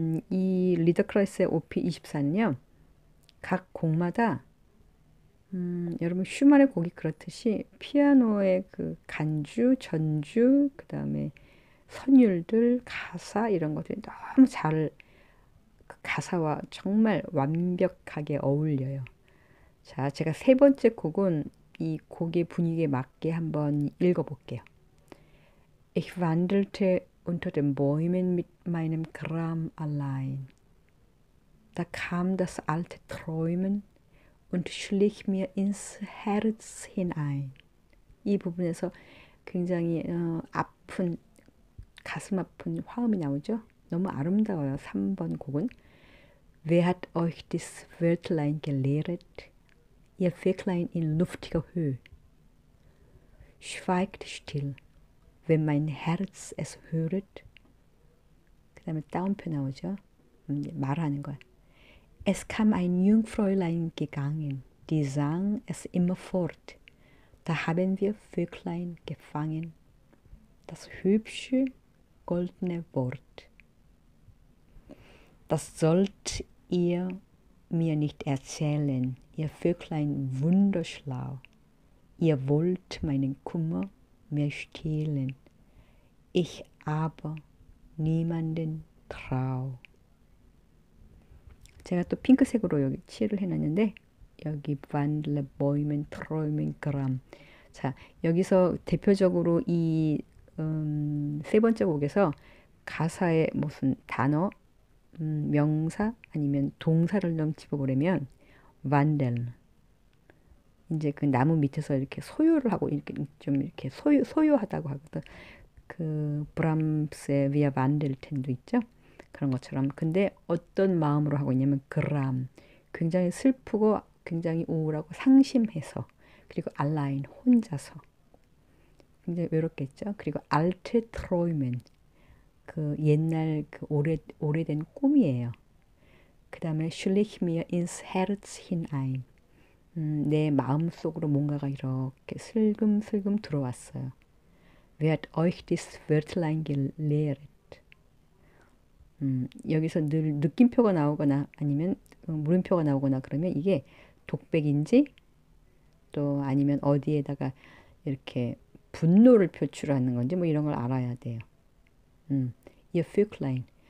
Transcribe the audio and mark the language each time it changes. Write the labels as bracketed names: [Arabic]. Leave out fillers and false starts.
[Korean] 이 리더 크라이시스의 OP 24는요, 각 곡마다 여러분 슈만의 곡이 그렇듯이 피아노의 그 간주, 전주, 그 다음에 선율들, 가사 이런 것들이 너무 잘, 그 가사와 정말 완벽하게 어울려요. 자, 제가 세 번째 곡은 이 곡의 분위기에 맞게 한번 읽어볼게요. [German] Ich wandelte unter den Bäumen mit meinem Gram allein. Da kam das alte Träumen und schlich mir ins Herz hinein. [Korean] 이 부분에서 굉장히 아픈, 가슴 아픈 화음이 나오죠? 너무 아름다워요, 3번 곡은. [German] Wer hat euch dieses Wörtlein gelehret? Ihr Vöglein in luftiger Höhe. Schweigt still, wenn mein Herz es höret. [Korean] 그 다음에 따옴표 나오죠? 말하는 거야. [German] Es kam ein Jungfräulein gegangen, die sang es immer fort. Da haben wir Vöglein gefangen, das hübsche goldene Wort. Das sollt ihr mir nicht erzählen, ihr Vöglein wunderschlau. Ihr wollt meinen Kummer mir stehlen, ich aber niemanden trau. [Korean] 제가 또 핑크색으로 여기 칠을 해놨는데 여기 [German] Wandle Bäumen träumen Gram. [Korean] 자, 여기서 대표적으로 이세 번째 곡에서 가사의 무슨 단어, 명사 아니면 동사를 좀 집어보려면 Wandeln. 이제 그 나무 밑에서 이렇게 소유를 하고 이렇게 좀 이렇게 소유하다고 하거든. 그 브람스의 Wir wandelten도 있죠. 그런 것처럼. 근데 어떤 마음으로 하고 있냐면 그람. 굉장히 슬프고 굉장히 우울하고 상심해서. 그리고 알라인 혼자서. 굉장히 외롭겠죠. 그리고 알트 트로이맨. 그 옛날 그 오래된 꿈이에요. 그다음에 슐리히 미어 인스 헤르츠 힌 아인. 내 마음속으로 뭔가가 이렇게 슬금슬금 들어왔어요. [German] Wer hat euch dieses Wörtlein gelehret? [Korean] 여기서 늘 느낌표가 나오거나 아니면 물음표가 나오거나 그러면 이게 독백인지 또 아니면 어디에다가 이렇게 분노를 표출하는 건지 뭐 이런 걸 알아야 돼요. [German] Ihr Vöglein.